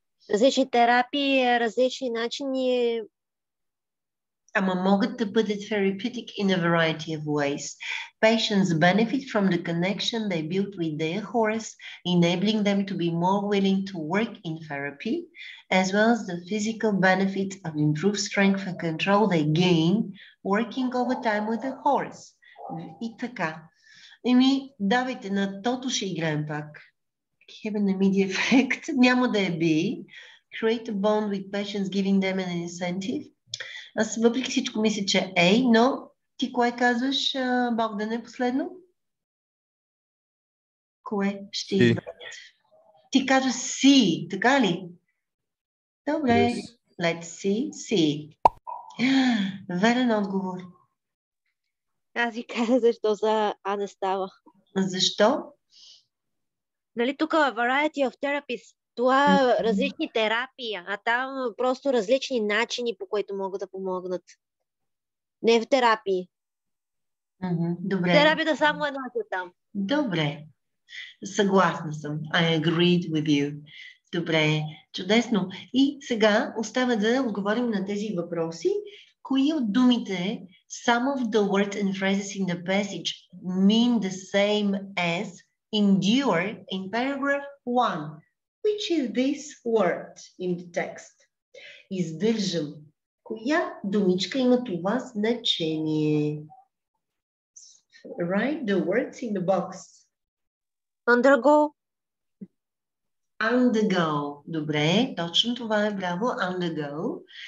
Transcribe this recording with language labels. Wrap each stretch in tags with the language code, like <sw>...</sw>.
<bg>Различни терапии, различни начини. Ама могат да бъдат</bg> <en>therapeutic in a variety of ways. Patients benefit from the connection they build with their horse, enabling them to be more willing to work in therapy, as well as the physical benefits of improved strength and control they gain working over time with the horse.</en> <bg>И така. Ими, давайте, на тото ще играем пак.</bg> <en>Have an immediate effect.</en> <bg>Няма да е би.</bg> <en>Create a bond with patients, giving them an incentive.</en> <bg>Аз въпреки всичко мисля, че е, но ти кое казваш, Богдане, последно? Кое ще избрат? Ти казваш си, така ли? Добре, yes.</bg> <en>Let's see, see.</en> <bg>Верен отговор. Аз ви казвам защо за А не става. Защо? Нали тук</bg> <en>variety of therapies.</en> <bg>Това различни терапии, а там просто различни начини, по които могат да помогнат. Не в терапии. Добре. Терапия да само една там. Добре. Съгласна съм.</bg> <en>I agreed with you.</en> <bg>Добре. Чудесно. И сега остава да отговорим на тези въпроси. Кои от думите</bg> <en>some of the words and phrases in the passage mean the same as endure in paragraph 1? Which is this word in the text? Издържам.</en> <bg>Коя думичка има това значение?</bg> <en>Write the words in the box. Undergo. Undergo.</en> <bg>Добре, точно това е, браво, undergo.</bg>